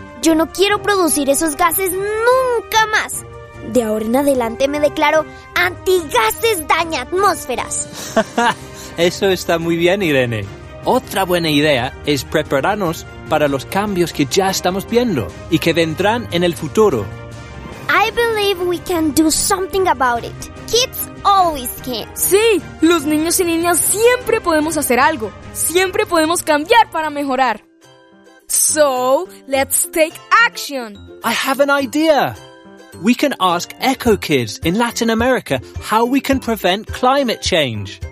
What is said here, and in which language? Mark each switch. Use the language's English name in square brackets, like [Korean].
[Spanish] Yo no quiero producir esos gases nunca más. De ahora en adelante me declaro antigases daña atmósferas. Eso está muy bien, Irene. Otra buena idea es prepararnos para los cambios que ya estamos viendo y que vendrán en el futuro. [English] I believe we can do something about it. Kids always can. [Spanish] Sí, los niños y niñas siempre podemos hacer algo. Siempre podemos cambiar para mejorar. [English] So, let's take action. I have an idea. We can ask Echo Kids in Latin America how we can prevent climate change.